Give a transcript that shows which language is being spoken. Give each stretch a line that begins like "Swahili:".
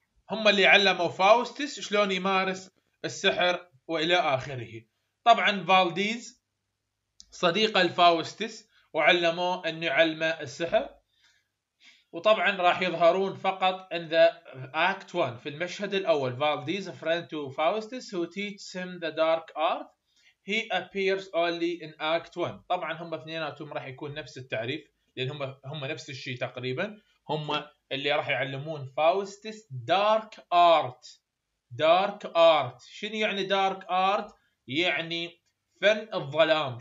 Arabic: هما اللي علموا فاوستس شلون يمارس السحر وإلى آخره. طبعا فالديز صديق الفاوستس وعلموا أن يعلم السحر. وطبعا راح يظهرون فقط
English: in the act 1
Arabic: في المشهد الأول.
English: Valdes a friend to Faustus who teaches him the dark art. He appears only in act 1.
Arabic: طبعا هم اثنيناتهم راح يكون نفس التعريف لان هم نفس الشيء تقريبا. هم اللي راح يعلمون فاوستس دارك ارت. دارك ارت شنو يعني؟ دارك ارت يعني فن الظلام.